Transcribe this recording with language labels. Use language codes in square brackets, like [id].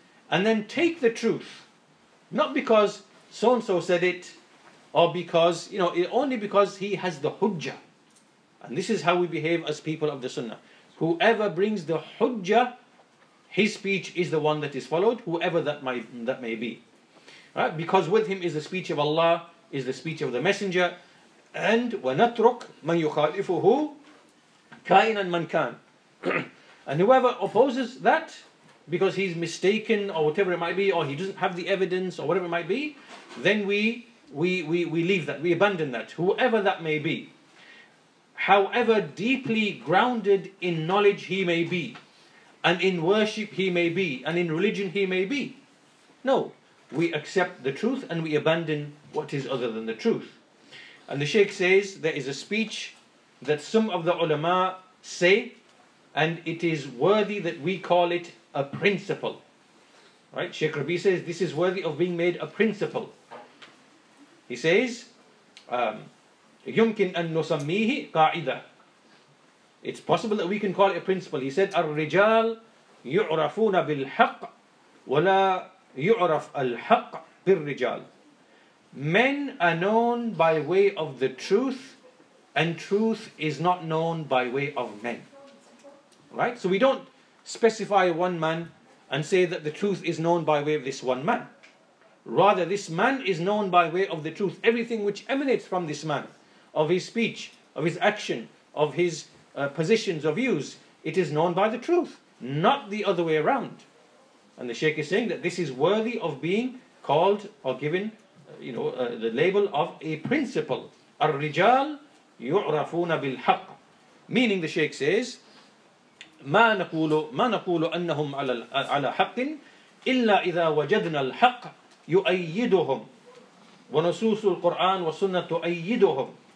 [en] And then take the truth, not because so-and-so said it, or because, you know, only because he has the hujjah. And this is how we behave as people of the sunnah. Whoever brings the hujjah, his speech is the one that is followed, whoever that may be. Right? Because with him is the speech of Allah, is the speech of the Messenger. [ar] And وَنَتْرُكْ مَنْ يُخَالِفُهُ كَائِنًا مَنْ كَانَ. [en] And whoever opposes that because he's mistaken or whatever it might be, or he doesn't have the evidence or whatever it might be, then we leave that, we abandon that, whoever that may be, however deeply grounded in knowledge he may be, and in worship he may be, and in religion he may be. No, we accept the truth and we abandon what is other than the truth. And the Shaykh says there is a speech that some of the ulama say, and it is worthy that we call it a principle. Right? Shaykh Rabi says this is worthy of being made a principle. He says, [ar] يمكن أن نسميه قاعدة. [en] It's possible that we can call it a principle. He said, [ar] الرجال يعرفون بالحق ولا يعرف الحق بالرجال. [en] Men are known by way of the truth, and truth is not known by way of men. Right, so we don't specify one man and say that the truth is known by way of this one man. Rather, this man is known by way of the truth. Everything which emanates from this man, of his speech, of his action, of his positions, of views, it is known by the truth, not the other way around. And the Shaykh is saying that this is worthy of being called or given, you know, the label of a principle. [ar] Ar-rijal yu'rafuna bil-haq. [en] Meaning, the Shaykh says, [ar] ما نقول أنهم على حق إلا إذا وجدنا الحق يؤيدهم ونصوص القرآن والسنة تؤيدهم.